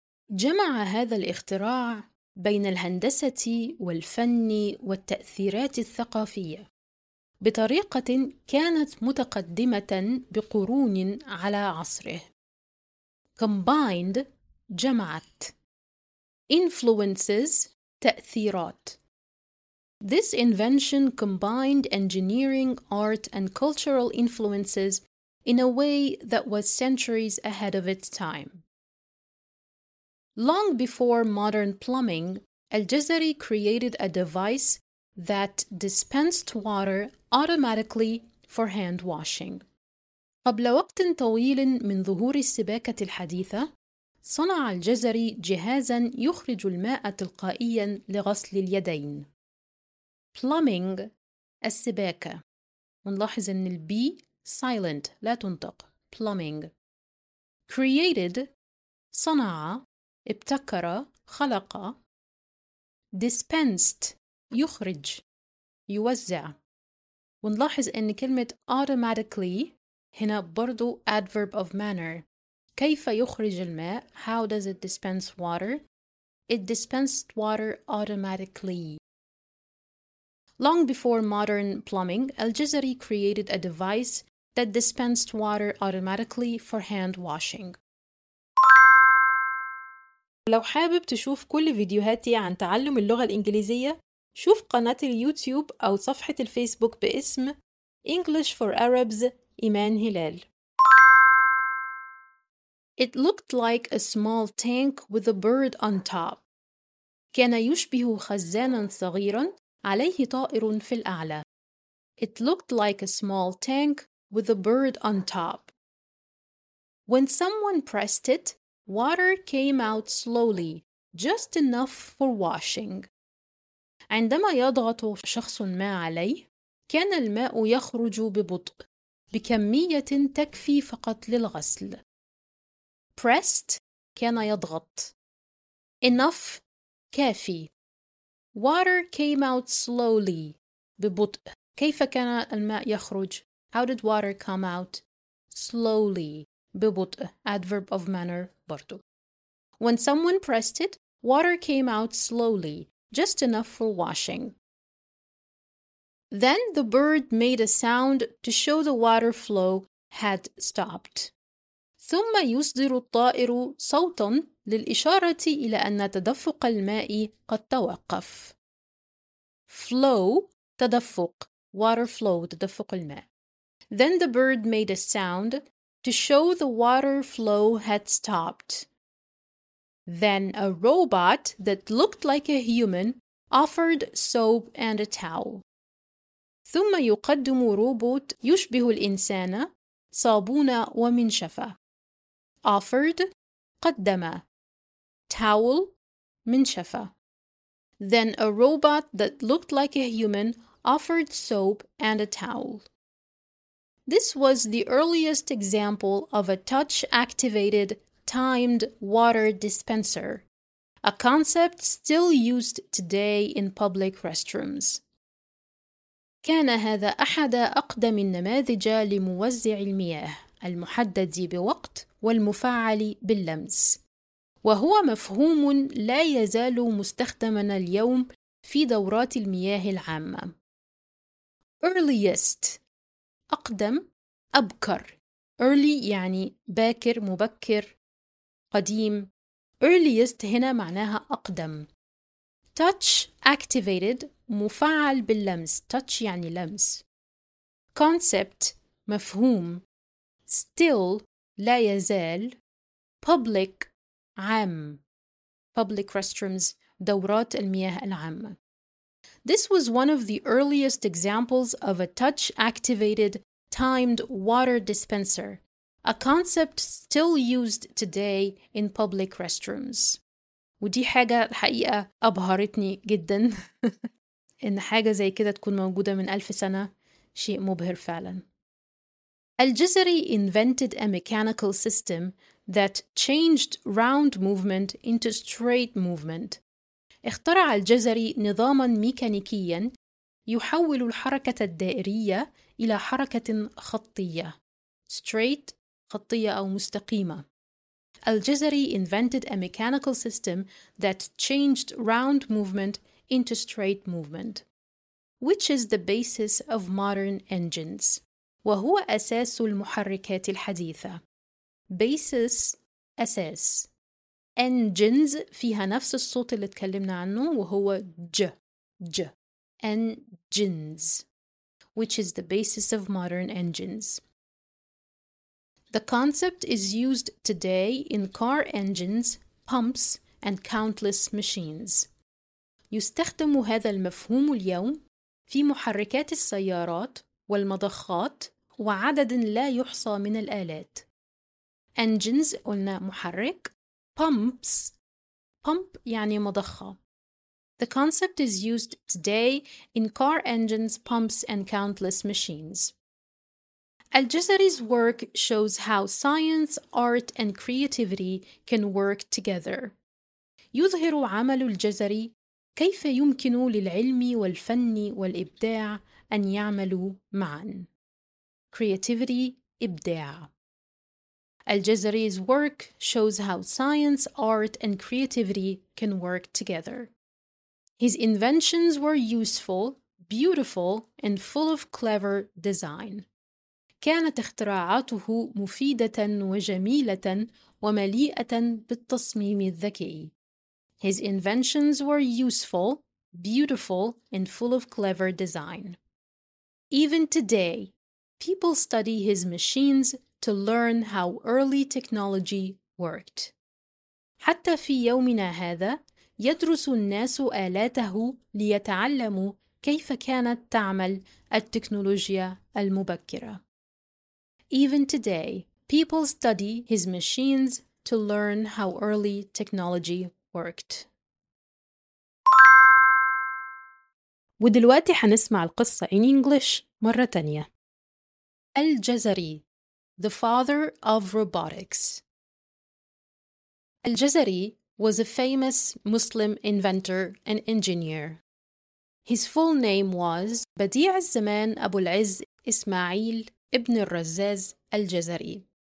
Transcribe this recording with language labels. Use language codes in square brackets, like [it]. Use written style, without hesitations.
[ar] جمع هذا الاختراع بين الهندسة والفن والتأثيرات الثقافية بطريقة كانت متقدمة بقرون على عصره. Combined جمعت. Influences تأثيرات. [en] This invention combined engineering, art, and cultural influences in a way that was centuries ahead of its time. Long before modern plumbing, Al-Jazari created a device that dispensed water automatically for hand washing. [ar] قبل وقت طويل من ظهور السباكة الحديثة، صنع الجزري جهازا يخرج الماء تلقائيا لغسل اليدين. Plumbing السباكة. نلاحظ ان البي silent لا تنطق. [en] Plumbing. [ar] Created صنع ابتكر خلق. Dispensed يخرج يوزع. ونلاحظ أن كلمة automatically هنا برضو [en] adverb of manner. [ar] كيف يخرج الماء؟ [en] How does it dispense water? It dispensed water automatically. Long before modern plumbing, Al-Jazari created a device that dispensed water automatically for hand washing. [ar] لو حابب تشوف كل فيديوهاتي عن تعلم اللغة الإنجليزية، شوف قناة اليوتيوب أو صفحة الفيسبوك باسم English for Arabs إيمان هلال. [en] It looked like a small tank with a bird on top. [ar] كان يشبه خزانا صغيرا عليه طائر في الأعلى. [en] It looked like a small tank with a bird on top. When someone pressed it, water came out slowly, just enough for washing. [ar] عندما يضغط شخص ما عليه، كان الماء يخرج ببطء، بكمية تكفي فقط للغسل. Pressed كان يضغط. [en] Enough كافي. Water came out slowly ببطء. [ar] كيف كان الماء يخرج؟ [en] How did water come out? Slowly ببطء. Adverb of manner برضو. When someone pressed it, water came out slowly. Just enough for washing. Then the bird made a sound to show the water flow had stopped. [ar] ثم يصدر الطائر صوتا للإشارة إلى أن تدفق الماء قد توقف. Flow تدفق. [en] Water flow [ar] تدفق الماء. [en] Then the bird made a sound to show the water flow had stopped. Then a robot that looked like a human offered soap and a towel. [ar] ثم يقدم روبوت يشبه الإنسان صابونة ومنشفة. Offered قدم. Towel منشفة. [en] Then a robot that looked like a human offered soap and a towel. This was the earliest example of a touch-activated timed water dispenser, a concept still used today in public restrooms. [ar] كان هذا أحد أقدم النماذج لموزع المياه المحدد بوقت والمفعل باللمس، وهو مفهوم لا يزال مستخدماً اليوم في دورات المياه العامة. Earliest أقدم أبكر. Early يعني باكر مبكر قديم. Earliest هنا معناها أقدم. [en] Touch activated [ar] مفعل باللمس. Touch يعني لمس. Concept مفهوم. Still لا يزال. Public عام. [en] Public restrooms [ar] دورات المياه العامة. [en] This was one of the earliest examples of a touch activated timed water dispenser, a concept still used today in public restrooms. [ar] ودي حاجة الحقيقة أبهرتني جدا. إن حاجة زي كده تكون موجودة من 1000 سنة شيء مبهر فعلا. [en] الجزري invented a mechanical system that changed round movement into straight movement. [ar] اخترع الجزري نظاما ميكانيكيا يحول الحركة الدائرية إلى حركة خطية straight خطية أو مستقيمة. [en] الجزري invented a mechanical system that changed round movement into straight movement, which is the basis of modern engines. [ar] وهو أساس المحركات الحديثة. Basis أساس. Engines فيها نفس الصوت اللي اتكلمنا عنه وهو ج. ج. Engines. [en] Which is the basis of modern engines. The concept is used today in car engines, pumps, and countless machines. [ar] يستخدم هذا المفهوم اليوم في محركات السيارات والمضخات وعدد لا يحصى من الآلات. Engines قلنا محرك. [en] Pumps. [ar] Pump يعني مضخة. [en] The concept is used today in car engines, pumps and countless machines. الجزري's work shows how science, art and creativity can work together. [ar] يظهر عمل الجزري كيف يمكن للعلم والفن والإبداع أن يعملوا معا. [en] Creativity, إبداع. الجزري's work shows how science, art, and creativity can work together. His inventions were useful, beautiful, and full of clever design. [ar] كانت اختراعاته مفيدة وجميلة ومليئة بالتصميم الذكي. [en] His inventions were useful, beautiful, and full of clever design. Even today, people study his machines to learn how early technology worked. [ar] حتى في يومنا هذا يدرس الناس آلاته ليتعلموا كيف كانت تعمل التكنولوجيا المبكرة. [en] Even today, people study his machines to learn how early technology worked. [ar] ودلوقتي حنسمع القصة [en] in English [ar] مرة تانية. [en] الجزري, the father of robotics. الجزري was a famous Muslim inventor and engineer. His full name was بديع الزمان أبو العز إسماعيل ابن الرزاز الجزري.